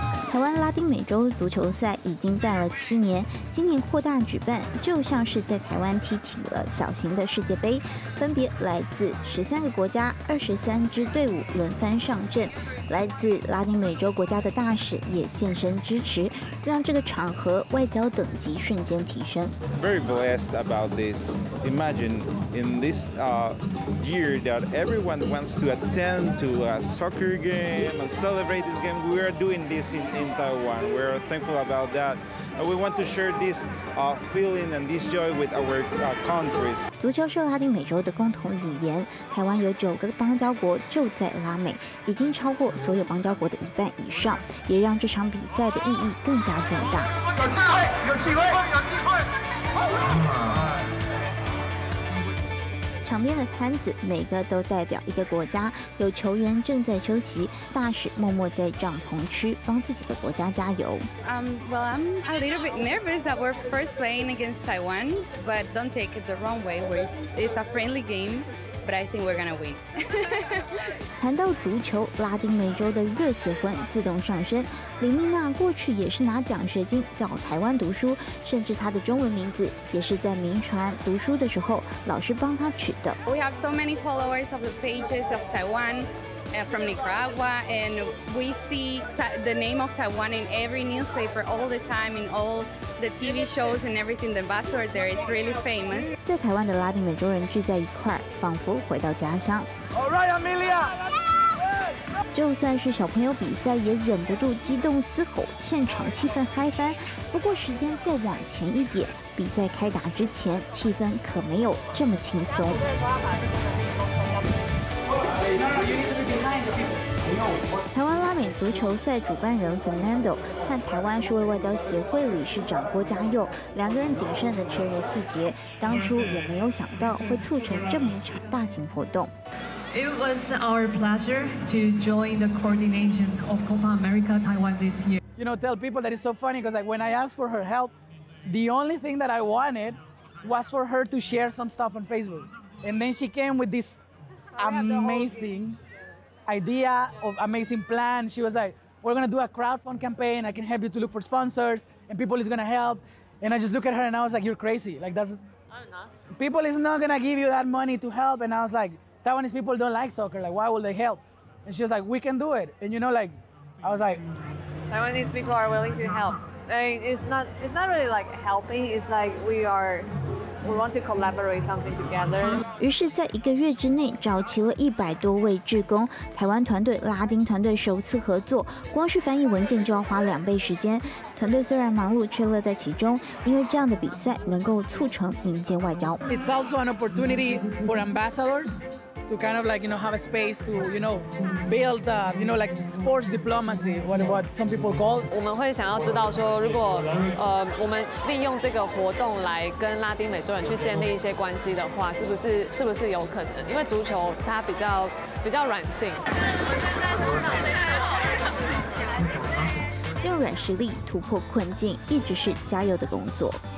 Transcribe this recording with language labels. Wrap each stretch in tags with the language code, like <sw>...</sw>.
<zh>台湾拉丁美洲足球赛已经办了7年，今年扩大举办，就像是在台湾踢起了小型的世界杯，分别来自13个国家23支队伍轮番上阵，来自拉丁美洲国家的大使也现身支持，让这个场合外交等级瞬间提升。</zh> <en>Very blessed about this. Imagine in this year that everyone wants to attend to a soccer game and celebrate this game. We are doing this in Taiwan. We are thankful about that. We want to share this feeling and this joy with our countries.</en> <zh>足球是拉丁美洲的共同语言，台湾有9个邦交国就在拉美，已经超过所有邦交国的一半以上，也让这场比赛的意义更加重大。有机会！场边的摊子每个都代表一个国家，有球员正在休息，大使默默在帐篷区帮自己的国家加油。</zh> <en>Well, I'm a little bit nervous that we're first playing against Taiwan, but don't take it the wrong way, which is a friendly game. But I think we're gonna win.</en> <zh>谈到足球，拉丁美洲的热血魂自动上升。林丽娜过去也是拿奖学金到台湾读书，甚至她的中文名字也是在民传读书的时候老师帮她取的。</zh> <en>We have so many followers of the pages of Taiwan, from Nicaragua, and we see the name of Taiwan in every newspaper all the time in all. The TV shows and everything, the buzzword there, it's really famous.</en> <zh>在台湾的拉丁美洲人聚在一块，仿佛回到家乡。</zh> <en>All right, Amelia.</en> <zh>就算是小朋友比赛，也忍不住激动嘶吼，现场气氛嗨翻。不过时间再往前一点，比赛开打之前，气氛可没有这么轻松。台湾拉美足球赛主办人 Fernando 和台湾数位外交协会理事长郭家佑两个人谨慎地确认细节，当初也没有想到会促成这么一场大型活动。</zh> <en>It was our pleasure to join the coordination of Copa America Taiwan this year. You know, tell people that it's so funny because like when I asked for her help, the only thing that I wanted was for her to share some stuff on Facebook, and then she came with this amazing.idea of amazing plan. She was like, we're going to do a crowdfund campaign. I can help you to look for sponsors and people is going to help. And I just look at her and I was like, you're crazy. Like, that's, I don't know. People is not going to give you that money to help. And I was like, Taiwanese people don't like soccer. Like, why would they help? And she was like, we can do it. And you know, like, I was like, Taiwanese people are willing to help. And it's not really like helping. It's like we want to collaborate something together.</en> <zh>于是在一个月之内召集了100多位志工，台湾团队、拉丁团队首次合作，光是翻译文件就要花2倍时间。团队虽然忙碌，却乐在其中，因为这样的比赛能够促成民间外交。</zh> <en>It's also an opportunity for ambassadors. To kind of like, you know, have a space to, you know, build, you know, like sports diplomacy, what some people call.</en> <zh>我们会想要知道说，如果我们利用这个活动来跟拉丁美洲人去建立一些关系的话，是不是有可能？因为足球它比较软性。用软实力突破困境，一直是加油的工作。</zh>